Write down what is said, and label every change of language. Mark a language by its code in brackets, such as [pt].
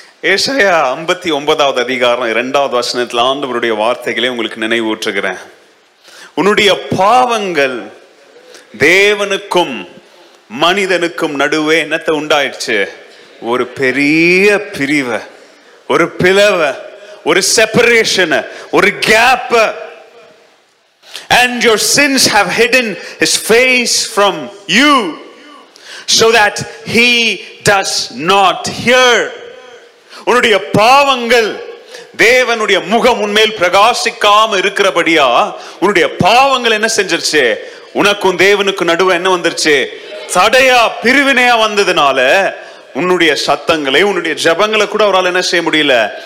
[ta] ஏசாயா 59 அதிகாரம் 2 வசனத்தில் ஆண்டவருடைய வார்த்தைகளை உங்களுக்கு நினைவூற்றுகிறேன். உன்னுடைய பாவங்கள் தேவனுக்கும் மனிதனுக்கும் நடுவே என்னத்தை உண்டாயிடுச்சு, ஒரு பெரிய பிரிவை, ஒரு பிளவை, ஒரு செப்பரேஷன், ஒரு gap. [en] And your sins have hidden his face from you so that he does not hear. [ta] உன்னுடைய பாவங்கள் தேவனுடைய முகம் உன்மேல் பிரகாசிக்காம இருக்கிறபடியா, உன்னுடைய பாவங்கள் என்ன செஞ்சிருச்சு, உனக்கும் தேவனுக்கும் நடுவே என்ன வந்துருச்சு, தடையா பிரிவினையா வந்ததுனால உன்னுடைய சத்தங்களை உன்னுடைய ஜபங்களை கூட அவரால் என்ன செய்ய முடியல.